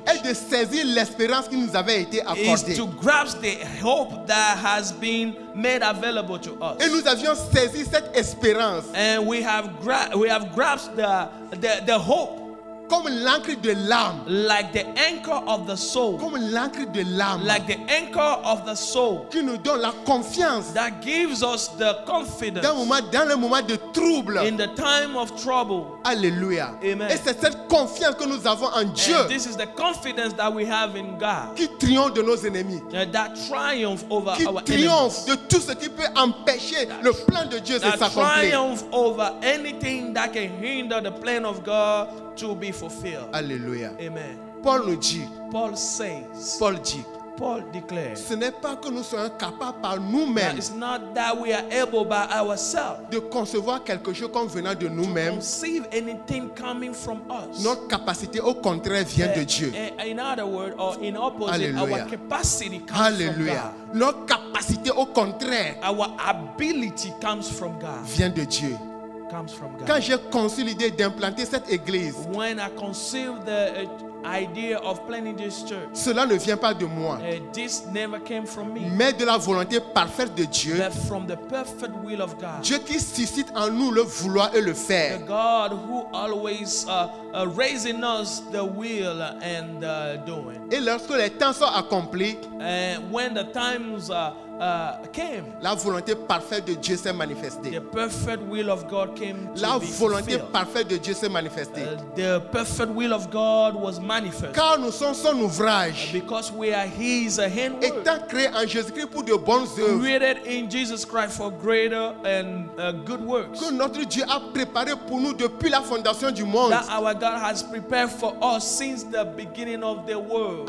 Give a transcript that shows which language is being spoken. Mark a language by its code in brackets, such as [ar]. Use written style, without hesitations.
[fr] est de saisir l'espérance qui nous avait été accordée. [en] Is to grasp the hope that has been made available to us. [fr] Et nous avions saisi cette espérance. [en] And we have grasped the hope. [fr] Comme l'ancre de l'âme. [en] Like the anchor of the soul. [fr] Comme l'ancre de l'âme. [en] Like the anchor of the soul. [fr] Qui nous donne la confiance. [en] That gives us the confidence. [fr] Dans le moment de trouble. [en] In the time of trouble. [fr] Alléluia. [en] Amen. [fr] Et c'est cette confiance que nous avons en Dieu. [en] And this is the confidence that we have in God. [fr] Qui triomphe de nos ennemis. [en] That triumph over [fr] qui [en] our enemies. [fr] Qui triomphe de tout ce qui peut empêcher that le plan de Dieu de s'accomplir. [en] That triumph over anything that can hinder the plan of God to be fulfilled. [fr] Alléluia. [en] Amen. [fr] Paul nous dit. [en] Paul says. [fr] Paul dit. [en] Paul declares. [fr] Ce n'est pas que nous soyons capables par nous-mêmes. [en] It's not that we are able by ourselves. [fr] De concevoir quelque chose comme venant de nous-mêmes. [en] To conceive anything coming from us. [fr] Notre capacité, au contraire, vient de Dieu. [en] In other words, or in opposite, [fr] Alléluia. [en] Our capacity comes [fr] Alléluia. [en] From God. [fr] Notre capacité, au contraire. [en] Our ability comes from God. [fr] Vient de Dieu. [en] Comes from God. [fr] Quand j'ai conçu l'idée d'implanter cette église, [en] when I conceived the idea of planting this church, [fr] cela ne vient pas de moi, [en] this never came from me, [fr] mais de la volonté parfaite de Dieu, [en] but from the perfect will of God, [fr] Dieu qui suscite en nous le vouloir et le faire, [en] the God who always raising us the will and the doing. [fr] Et lorsque les temps sont accomplis, [en] when the times are came. [fr] La volonté parfaite de Dieu s'est manifestée. [en] The perfect will of God came to [fr] la [en] be [fr] volonté [en] fulfilled. [fr] Parfaite de Dieu s'est manifestée. [en] The perfect will of God was manifest. [fr] Car nous sommes son ouvrage. [en] Because we are His handwork. [fr] Étant créé en Jésus-Christ pour de bonnes œuvres. [en] Created in Jesus Christ for greater and good works. [fr] Que notre Dieu a préparé pour nous depuis la fondation du monde. [en] That our God has prepared for us since the beginning of the world.